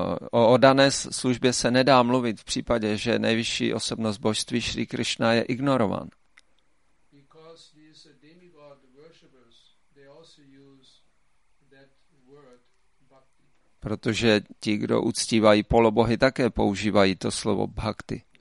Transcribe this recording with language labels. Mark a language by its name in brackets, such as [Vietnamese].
[Czech] O oddané službě se nedá mluvit v případě, že nejvyšší osobnost božství Šri Krishna je ignorován. [English] Because these demigod worshippers, they also use that word bhakti. [Czech] Protože ti, kdo uctívají polobohy, také používají to slovo bhakti.